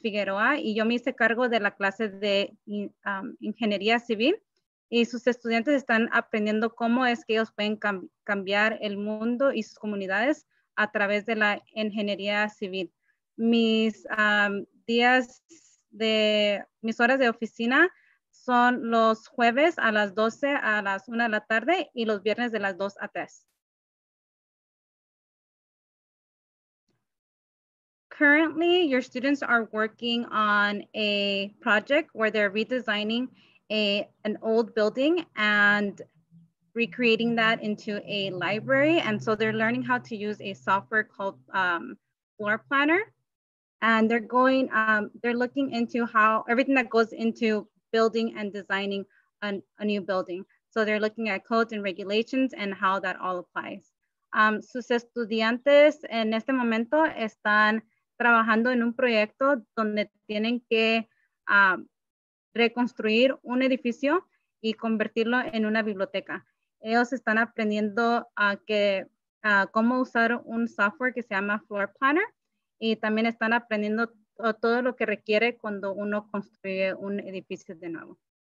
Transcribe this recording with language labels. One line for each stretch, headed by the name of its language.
Spanish: Figueroa y yo me hice cargo de la clase de ingeniería civil y sus estudiantes están aprendiendo cómo es que ellos pueden cambiar el mundo y sus comunidades a través de la ingeniería civil. Mis mis horas de oficina son los jueves a las 12 a las 1 de la tarde y los viernes de las 2 a 3.
English: Currently, your students are working on a project where they're redesigning an old building and recreating that into a library. And so they're learning how to use a software called Floor Planner. And they're going, they're looking into how everything that goes into building and designing a new building. So they're looking at codes and regulations and how that all applies.
Spanish: Sus estudiantes en este momento están trabajando en un proyecto donde tienen que reconstruir un edificio y convertirlo en una biblioteca. Ellos están aprendiendo cómo usar un software que se llama Floor Planner y también están aprendiendo todo lo que requiere cuando uno construye un edificio de nuevo.